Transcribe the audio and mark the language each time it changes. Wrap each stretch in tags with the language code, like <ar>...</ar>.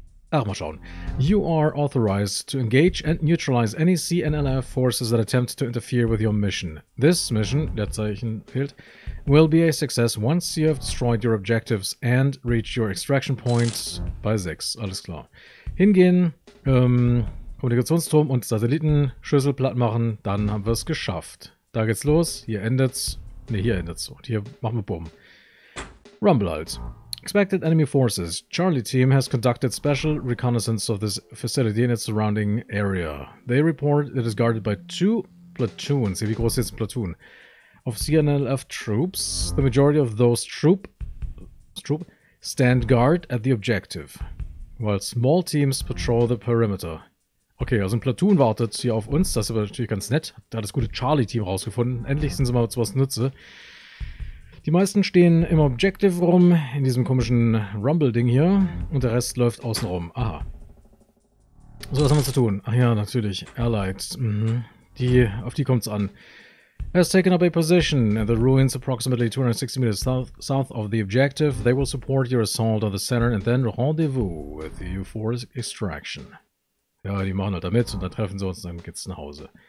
<de>Ach, mal schauen.</de> <en>You are authorized to engage and neutralize any CNLF forces that attempt to interfere with your mission. This mission,</en> <de>der Zeichen fehlt,</de> <en>will be a success once you have destroyed your objectives and reached your extraction point by 6.</en> <de>Alles klar. Hingehen, Kommunikationsturm und Satellitenschüssel platt machen, dann haben wir es geschafft. Da geht's los, hier endet's. Ne, hier endet's. Und hier machen wir Bumm. Rumble halt.</de> <en>Expected enemy forces. Charlie team has conducted special reconnaissance of this facility and its surrounding area. They report it is guarded by 2 platoons.</en> <de>Wie groß ist jetzt ein Platoon?</de> <en>Of CNLF troops. The majority of those troops stand guard at the objective. While small teams patrol the perimeter.</en> <de>Okay, also ein Platoon wartet hier auf uns. Das ist aber natürlich ganz nett. Da hat das gute Charlie team rausgefunden. Endlich sind sie mal zu was Nütze. Die meisten stehen im Objective rum, in diesem komischen Rumble-Ding hier. Und der Rest läuft außen rum. Aha. So, was haben wir zu tun? Ach ja, natürlich. Allied. Mhm. Auf die kommt's an.</de> <en>Has taken up a position in the ruins approximately 260 meters south of the objective. They will support your assault on the center and then rendezvous with you for extraction.</en> <de>Ja, die machen halt da mit und dann treffen sie uns und dann geht's nach Hause.</de>